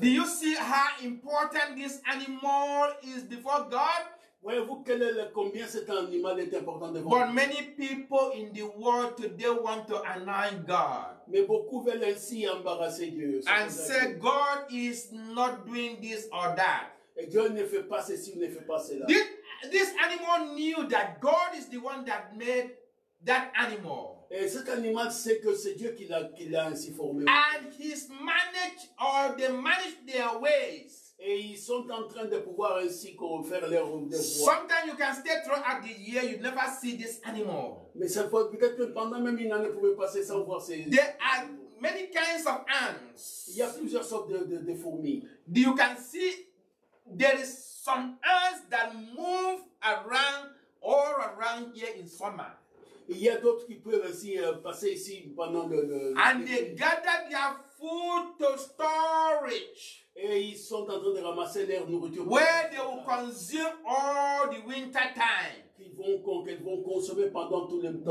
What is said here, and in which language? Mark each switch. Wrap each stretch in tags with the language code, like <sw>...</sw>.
<en>Do you see how important this animal is before God?</en> <fr>Voyez-vous quel est le, combien cet animal est important devant</fr> <en>vous? But many people in the world today want to anoint God.</en> <fr>Mais beaucoup veulent ainsi embarrasser Dieu.</fr> <en>And say God is not doing this or that.</en> <fr>Et Dieu ne fait pas ceci, ne fait pas cela.</fr> <en>This animal knew that God is the one that made that animal.</en> <fr>Et cet animal sait que c'est Dieu qui l'a ainsi formé.</fr> <en>And he's managed or they manage their ways.</en> <fr>Et ils sont en train de pouvoir ainsi faire leur devoir.</fr> <en>Sometimes you can stay throughout the year, you never see this animal.</en> <fr>Mais ça peut, peut-être pendant même une année, vous pouvez passer sans voir ces.</fr> <en>There are many kinds of ants.</en> <fr>Il y a plusieurs sortes de fourmis.</fr> <en>You can see there is some ants that move around all around here in summer.</en> <fr>Il y a d'autres qui peuvent ainsi passer ici pendant le.</fr> <en>And they gather their food to storage.</en> <fr>Et ils sont en train de ramasser leur nourriture.</fr> <en>Where they will consume all the winter time.</en> <fr>Qu'ils vont consommer pendant tout le temps.</fr>